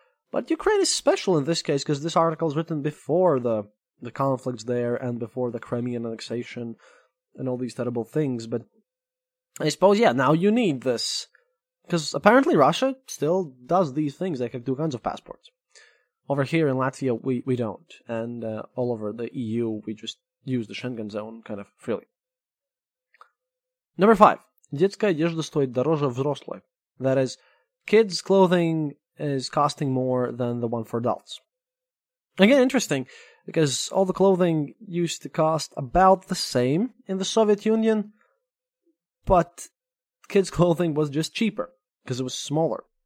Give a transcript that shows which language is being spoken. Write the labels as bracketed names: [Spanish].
[English] But Ukraine is special in this case because this article is written before the conflicts there and before the Crimean annexation and all these terrible things. But I suppose, yeah, now you need this. Because apparently Russia still does these things. They have two kinds of passports. Over here in Latvia, we don't. And all over the EU, we just use the Schengen zone kind of freely. Number 5. [Russian] Детская одежда стоит дороже взрослой. [English] That is, kids' clothing is costing more than the one for adults. Again, interesting, because all the clothing used to cost about the same in the Soviet Union, but kids' clothing was just cheaper, because it was smaller.